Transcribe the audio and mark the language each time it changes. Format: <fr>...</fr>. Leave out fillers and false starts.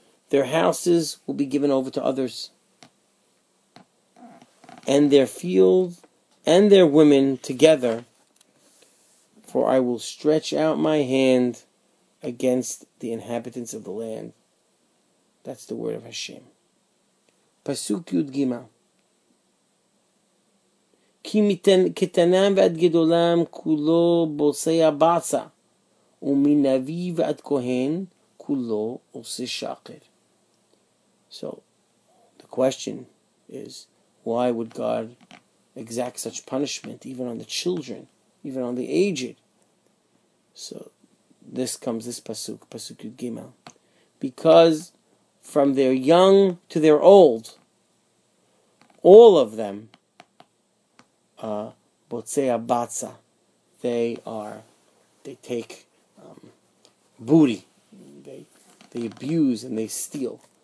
<en>Their houses will be given over to others, and their fields and their women together, for I will stretch out my hand against the inhabitants of the land. That's the word of Hashem. Pasuk Yud Gimel.</en> <he>כי מקטנם ועד גדולם כולו בוסי הבצה, ומנביא ועד כהן כולו עושה שקר.</he> <en>So, the question is, why would God exact such punishment even on the children, even on the aged? So, this pasuk, pasuk Yud Gimel. Because from their young to their old, all of them,</en> <he>botzei abatza,</he> <en>they take booty, they abuse and they steal.</en>